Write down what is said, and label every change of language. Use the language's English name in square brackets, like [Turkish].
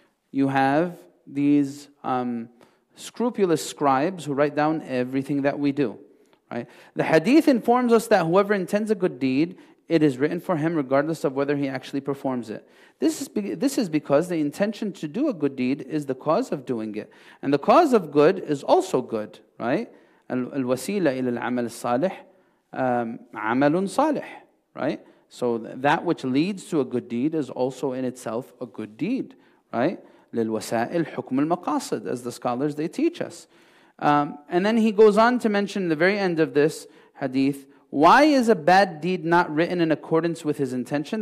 [English] You have these scrupulous scribes who write down everything that we do, right? The hadith informs us that whoever intends a good deed, it is written for him regardless of whether he actually performs it. This is because the intention to do a good deed is the cause of doing it. And the cause of good is also good, right? [Arabic] Al-wasila ila al-amal salih. عَمَلٌ صَالِحٌ, right? [English] So that which leads to a good deed is also in itself a good deed, right? [Arabic] لِلْوَسَائِلْ حُكْمُ الْمَقَاصِدِ, [English] as the scholars, they teach us. And then he goes on to mention the very end of this hadith, why is a bad deed not written in accordance with his intention?